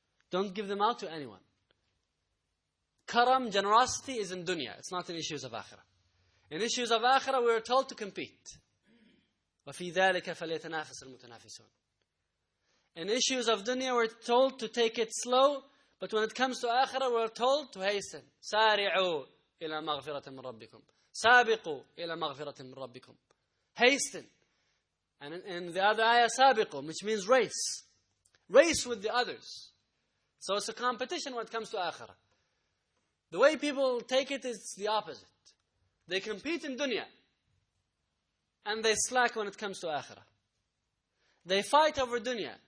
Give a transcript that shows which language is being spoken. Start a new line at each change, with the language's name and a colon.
English: Don't give them out to anyone. Karam, generosity is in dunya. It's not in issues of akhirah. In issues of akhirah, we are told to compete.
Arabic: وَفِي ذَلِكَ فَلْيَتَنَافِسَ الْمُتَنَافِسُونَ
English: In issues of dunya, we're told to take it slow. But when it comes to akhirah, we're told to hasten.
Arabic: سَارِعُوا إِلَى مَغْفِرَةٍ مِّن رَبِّكُمْ سَابِقُوا إِلَى مَغْفِرَةٍ مِّن رَبِّكُمْ
English: Hasten. And in the other ayah, سَابِقُوا, which means race. Race with the others. So it's a competition when it comes to akhirah. The way people take it is the opposite. They compete in dunya. And they slack when it comes to akhirah. They fight over dunya.